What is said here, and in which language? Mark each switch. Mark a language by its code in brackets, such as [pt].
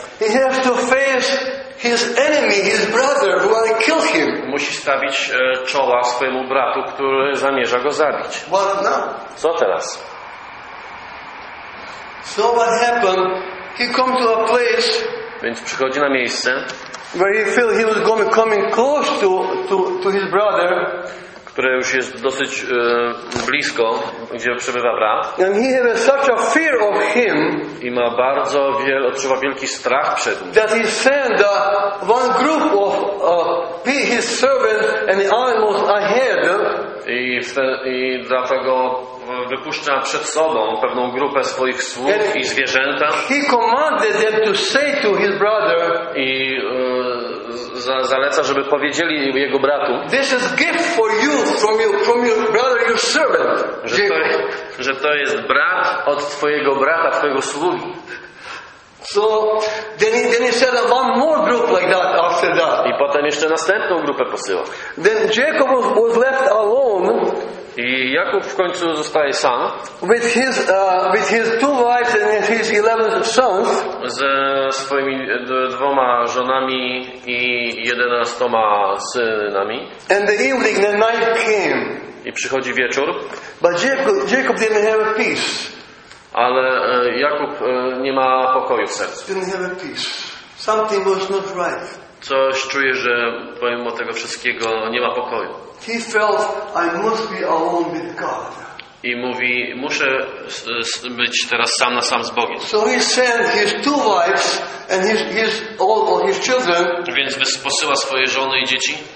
[en] he has to face his enemy, his brother, who will kill him. [pl] Musi stawić czoła swojemu bratu, który zamierza go zabić. [en] What now? [pl] Co teraz? [en] So what happened? He come to a place. [pl] Więc przychodzi na miejsce. [en] Where he feel he was coming close to his brother. [pl] Które już jest dosyć blisko, gdzie przebywa brat. [en] And he had such a fear of him, [pl] i ma bardzo odczuwa wielki strach przed nim. [en] That he sent one group of his servants and the animals ahead. [pl] I dlatego wypuszcza przed sobą pewną grupę swoich sług [en] and [pl] i zwierzęta. [en] He commanded them to say to his brother. [pl] I zaleca, żeby powiedzieli jego bratu, [en] this is gift for you from your brother, your servant, [pl] że to jest brat od twojego brata, twojego sługi. [en] So then he sent one more group like that after that. [pl] I potem jeszcze następną grupę posyła. [en] Then Jacob was left alone. [pl] I Jakub w końcu zostaje sam. [en] With his two wives and his 11 sons. [pl] Ze swoimi dwoma żonami i 11 synami. [en] And the evening, the night came. [pl] I przychodzi wieczór. [en] But Jacob didn't have peace. [pl] Ale Jakub nie ma pokoju w sercu. [en] Didn't have peace. Something was not right. [pl] Coś czuje, że pomimo tego wszystkiego nie ma pokoju. [en] He felt, I must be alone with God. [pl] I mówi, muszę być teraz sam na sam z Bogiem. [en] So he sent his two wives and his all of his children. [pl] Więc posyła swoje żony i dzieci.